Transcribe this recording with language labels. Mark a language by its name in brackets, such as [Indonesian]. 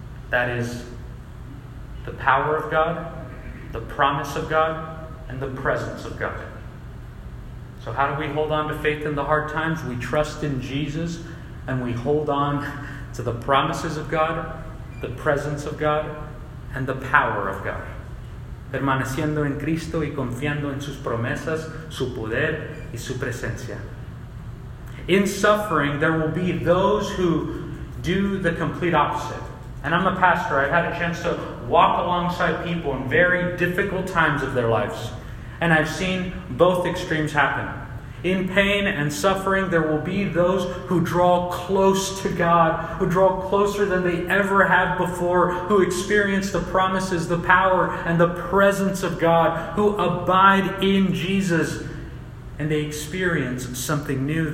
[English] That is the power of God, the promise of God, and the presence of God. So how do we hold on to faith in the hard times? We trust in Jesus, and we hold on to the promises of God, the presence of God, and the power of God. [Spanish] Permaneciendo en Cristo y confiando en sus promesas, su poder y su presencia. [English] In suffering, there will be those who do the complete opposite. And I'm a pastor. I've had a chance to walk alongside people in very difficult times of their lives. And I've seen both extremes happen. In pain and suffering, there will be those who draw close to God, who draw closer than they ever have before, who experience the promises, the power, and the presence of God, who abide in Jesus, and they experience something new.